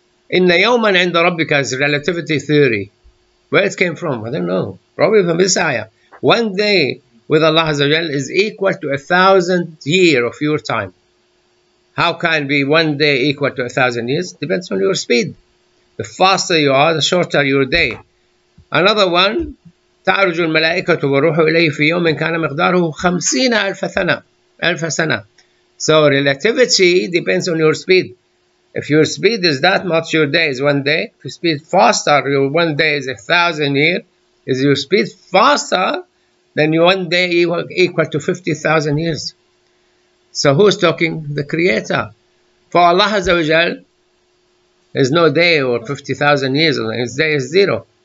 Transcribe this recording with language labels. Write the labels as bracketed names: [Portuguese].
[English] In the Yawman and the Rabbika's relativity theory, where it came from, I don't know. Probably from this ayah. One day with Allah Azza wa Jalla is equal to 1,000 years of your time. How can be one day equal to 1,000 years? Depends on your speed. The faster you are, the shorter your day. Another one, [Arabic] تَعْرُجُ الْمَلَائِكَةُ وَرُوحُ إِلَيْهِ فِي يَوْمٍ كَانَ مِقْدَارُهُ 50,000 سنة. [English] So relativity depends on your speed. If your speed is that much, your day is one day. If you speed faster, your one day is 1,000 years. Is your speed faster, then your one day equal to 50,000 years. So who's talking? The Creator. For Allah Azza wa Jal, there's no day or 50,000 years. His day is zero.